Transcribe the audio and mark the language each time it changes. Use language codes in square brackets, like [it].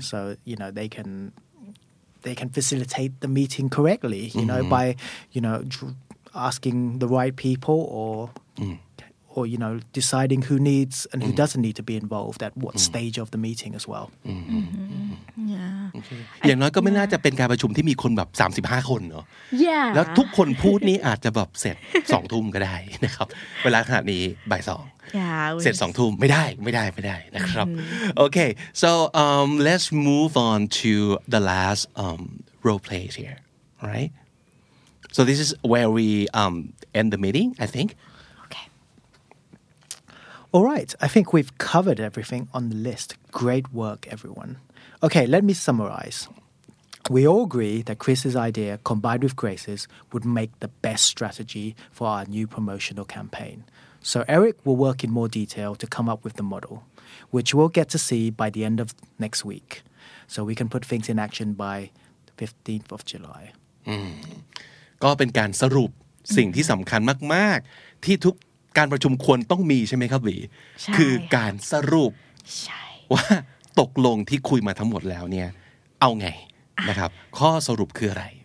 [en] So, you know, they can facilitate the meeting correctly, you know, by, you know, asking the right people or you know, deciding who needs and who doesn't need to be involved at what stage of the meeting as well. Yeah. [th] อย่างน้อยก็ไม่น่าจะเป็นการประชุมที่มีคนแบบ35คนเนาะ [en] Yeah. [th] แล้วทุกคนพูดนี่อาจจะแบบเสร็จ 2 ทุ่มก็ได้นะครับเวลาขนาดนี้บ่าย 2 [en] Yeah. [th] เสร็จ 2 ทุ่มไม่ได้นะครับ [en] Okay. So let's move on to the last role play here. Right? So this is where we end the meeting, I think. All right. I think we've covered everything on the list. Great work, everyone. Okay, let me summarize. We all agree that Chris's idea combined with Grace's would make the best strategy for our new promotional campaign. So Eric will work in more detail to come up with the model, which we'll get to see by the end of next week. So we can put things in action by the 15th of July. [th] ก็เป็นการสรุปสิ่งที่สำคัญมากๆที่ทุกการประชุมควรต้องมีใช่ไหมครับวีคือการสรุปว่าตกลงที่คุยมาทั้งหมดแล้วเนี่ยเอาไงนะครับข้อสรุปคืออะไร